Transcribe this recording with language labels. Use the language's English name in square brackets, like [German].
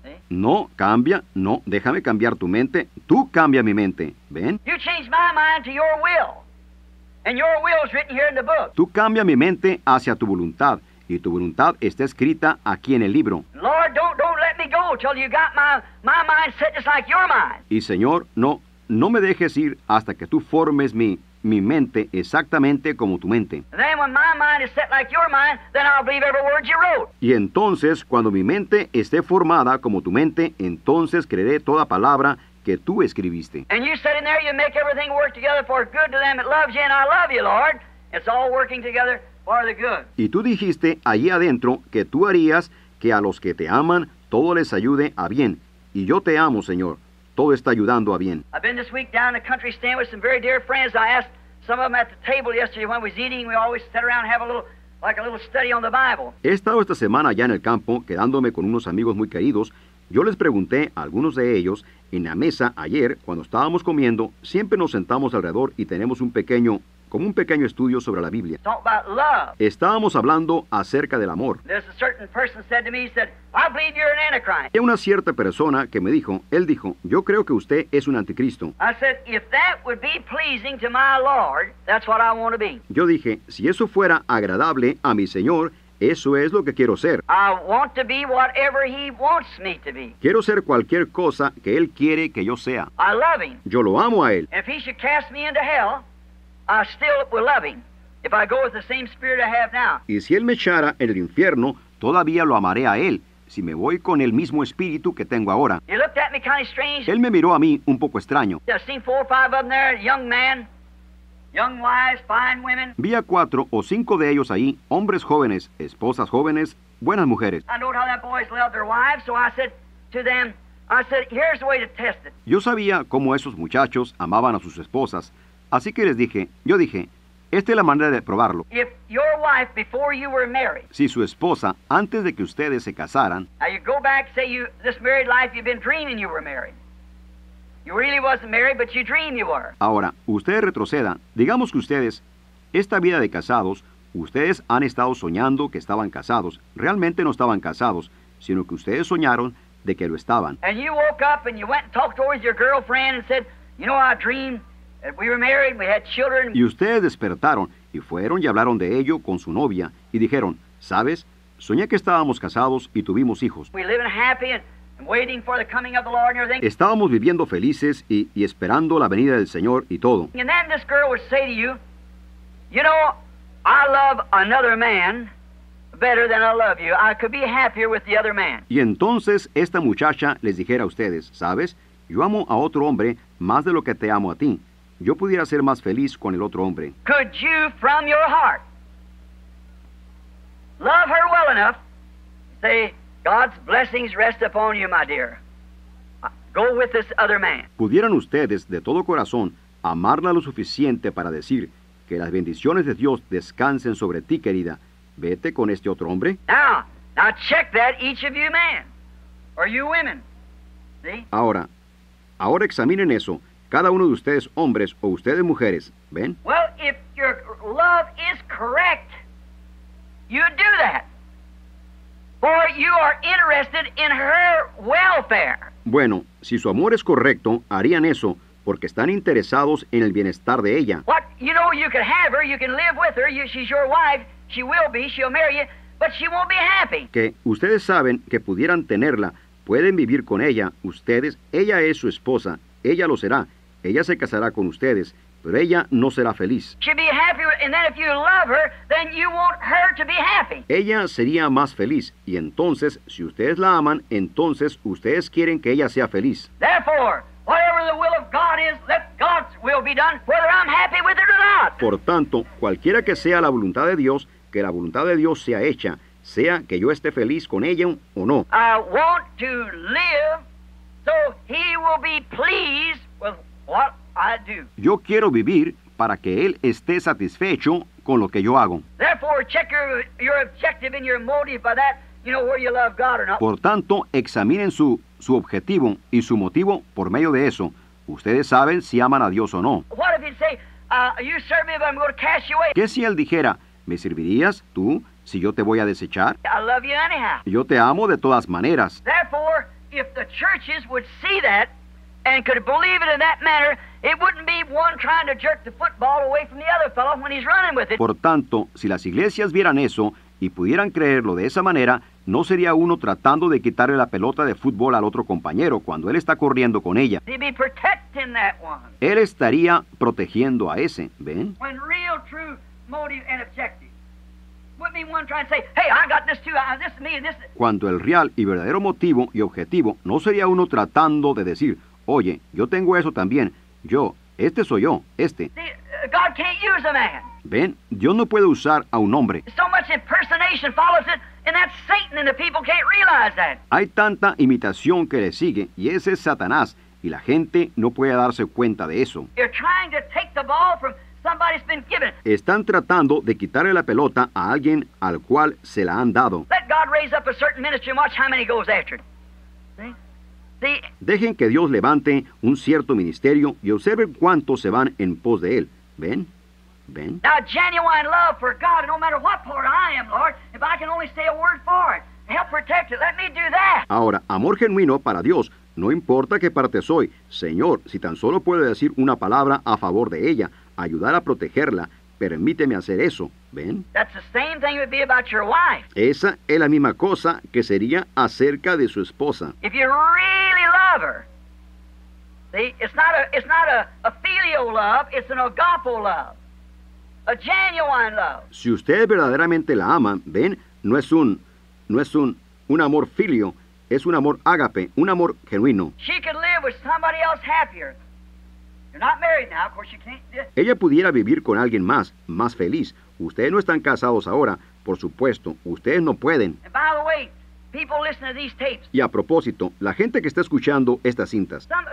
[Spanish] No, cambia, no, déjame cambiar tu mente. Tú cambia mi mente, ¿ven? [English] You change my mind to your will. And your will is written here in the book. [Spanish] Tú cambia mi mente hacia tu voluntad. Y tu voluntad está escrita aquí en el libro. [English] Lord, don't let me go till you got my mind set just like your mind. [Spanish] Y Señor, no me dejes ir hasta que tú formes mi mente exactamente como tu mente. [English] And then when my mind is set like your mind, then I'll believe every word you wrote. [Spanish] Y entonces, cuando mi mente esté formada como tu mente, entonces creeré toda palabra que tú escribiste. [English] And you said in there, you make everything work together for good to them that loves you, and I love you, Lord. It's all working together. [Spanish] Y tú dijiste allí adentro que tú harías que a los que te aman todo les ayude a bien. Y yo te amo, Señor. Todo está ayudando a bien. [English] I've been this week down in the country stand with some very dear friends. I asked some of them at the table yesterday when we was eating. We always sit around and have a little study on the Bible. [Spanish] He estado esta semana allá en el campo quedándome con unos amigos muy queridos. Yo les pregunté a algunos de ellos en la mesa ayer cuando estábamos comiendo. Siempre nos sentamos alrededor y tenemos un pequeño estudio sobre la Biblia. [English] Talk about love. [Spanish] Estábamos hablando acerca del amor. [English] There's a certain person said to me, he said, I believe you're an antichrist. [Spanish] Hay una cierta persona que me dijo, él dijo, yo creo que usted es un anticristo. [English] I said, if that would be pleasing to my Lord, that's what I want to be. [Spanish] Yo dije, si eso fuera agradable a mi Señor, eso es lo que quiero ser. [English] I want to be whatever he wants me to be. [Spanish] Quiero ser cualquier cosa que él quiere que yo sea. [English] I love him. [Spanish] Yo lo amo a él. [English] If he should cast me into hell, I still will love him if I go with the same spirit I have now. [Spanish] Y si él me echara en el infierno, todavía lo amaré a él si me voy con el mismo espíritu que tengo ahora. [English] He looked at me kind of strange. [Spanish] Él me miró a mí un poco extraño. [English] I've seen four or five of them there, young man. Young wives, fine women. [Spanish] Vi a cuatro o cinco de ellos ahí, hombres jóvenes, esposas jóvenes, buenas mujeres. [English] I know how that boys love their wives, so I said to them, I said, here's the way to test it. [Spanish] Yo sabía cómo esos muchachos amaban a sus esposas, así que les dije, yo dije, esta es la manera de probarlo. [English] If your wife before you were married, [Spanish] si su esposa antes de que ustedes se casaran, [English] now you go back, say you this married life you've been dreaming you were married. You really wasn't married, but you dream you were. [Spanish] Ahora, ustedes retrocedan. Digamos que ustedes, esta vida de casados, ustedes han estado soñando que estaban casados. Realmente no estaban casados, sino que ustedes soñaron de que lo estaban. [English] And you woke up and you went and talked over with your girlfriend and said, you know, I dreamed that we were married, we had children. [Spanish] Y ustedes despertaron y fueron y hablaron de ello con su novia y dijeron, ¿sabes? Soñé que estábamos casados y tuvimos hijos. [English] We live in happy and waiting for the coming of the Lord and everything. [Spanish] Estábamos viviendo felices y esperando la venida del Señor y todo. [English] And then this girl would say to you, you know, I love another man better than I love you. I could be happier with the other man. [Spanish] Y entonces esta muchacha les dijera a ustedes, ¿sabes? Yo amo a otro hombre más de lo que te amo a ti. Yo pudiera ser más feliz con el otro hombre. [English] Could you from your heart love her well enough to say, God's blessings rest upon you, my dear. Go with this other man. [Spanish] ¿Pudieran ustedes de todo corazón amarla lo suficiente para decir que las bendiciones de Dios descansen sobre ti, querida? Vete con este otro hombre. [English] Now check that, each of you men, or you women. See? [Spanish] Ahora examinen eso, cada uno de ustedes hombres o ustedes mujeres, ¿ven? [English] Well, if your love is correct, you do that. For you are interested in her welfare. [Spanish] Bueno, si su amor es correcto, harían eso, porque están interesados en el bienestar de ella. [English] What, you know, you can have her, you can live with her, she's your wife, she will be, she'll marry you, but she won't be happy. [Spanish] Que ustedes saben que pudieran tenerla, pueden vivir con ella, ustedes, ella es su esposa, ella lo será, ella se casará con ustedes, pero ella no será feliz. [English] She'll be happy, and then if you love her, then you want her to be happy. [Spanish] Ella sería más feliz, y entonces, si ustedes la aman, entonces ustedes quieren que ella sea feliz. [English] Therefore, whatever the will of God is, let God's will be done, whether I'm happy with it or not. [Spanish] Por tanto, cualquiera que sea la voluntad de Dios, que la voluntad de Dios sea hecha, sea que yo esté feliz con ella o no. [English] I want to live so he will be pleased with what I do. [Spanish] Yo quiero vivir para que él esté satisfecho con lo que yo hago. [English] Therefore, check your objective and your motive by that, you know, whether you love God or not. [Spanish] Por tanto, examinen su objetivo y su motivo por medio de eso. Ustedes saben si aman a Dios o no. [English] What if he'd say, you serve me, but I'm going to cast you away? [Spanish] ¿Qué si él dijera, me servirías tú si yo te voy a desechar? [English] I love you anyhow. [Spanish] Yo te amo de todas maneras. [English] Therefore, if the churches would see that, and could believe it in that manner, it wouldn't be one trying to jerk the football away from the other fellow when he's running with it. [Spanish] Por tanto, si las iglesias vieran eso y pudieran creerlo de esa manera, no sería uno tratando de quitarle la pelota de fútbol al otro compañero cuando él está corriendo con ella. [English] He'd be protecting that one. [Spanish] Él estaría protegiendo a ese, ¿ven? [English] When real, true motive and objective wouldn't be one trying to say, hey, I got this too, this is me and this. [Spanish] Cuando el real y verdadero motivo y objetivo no sería uno tratando de decir, oye, yo tengo eso también. Yo, este soy yo, este. [English] God can't use a man. [Spanish] Ven, Dios no puede usar a un hombre. [English] So much impersonation follows it, and that's Satan, and the people can't realize that. [Spanish] Hay tanta imitación que le sigue, y ese es Satanás, y la gente no puede darse cuenta de eso. [English] You're trying to take the ball from somebody's been given. [Spanish] Están tratando de quitarle la pelota a alguien al cual se la han dado. [English] Let God raise up a certain ministry and watch how many goes after it. [Spanish] Dejen que Dios levante un cierto ministerio y observen cuántos se van en pos de él. ¿Ven? ¿Ven? [English] Now, genuine love for God, no matter what part I am, Lord, if I can only say a word for it, help protect it, let me do that. [Spanish] Ahora, amor genuino para Dios, no importa qué parte soy, Señor, si tan solo puedo decir una palabra a favor de ella, ayudar a protegerla, permíteme hacer eso. ¿Ven? [English] That's the same thing would be about your wife. [Spanish] Esa es la misma cosa que sería acerca de su esposa. [English] If you really love her, see, it's not a filial love, it's an agapo love, a genuine love. [Spanish] Si ustedes verdaderamente la aman, ven, no es un un amor filio, es un amor ágape, un amor genuino. [English] She could live with somebody else happier. You're not married now, of course you can't. [Spanish] Ella pudiera vivir con alguien más, más feliz. Ustedes no están casados ahora, por supuesto, ustedes no pueden. [English] And by the way, people listen to these tapes. [Spanish] Y a propósito, la gente que está escuchando estas cintas.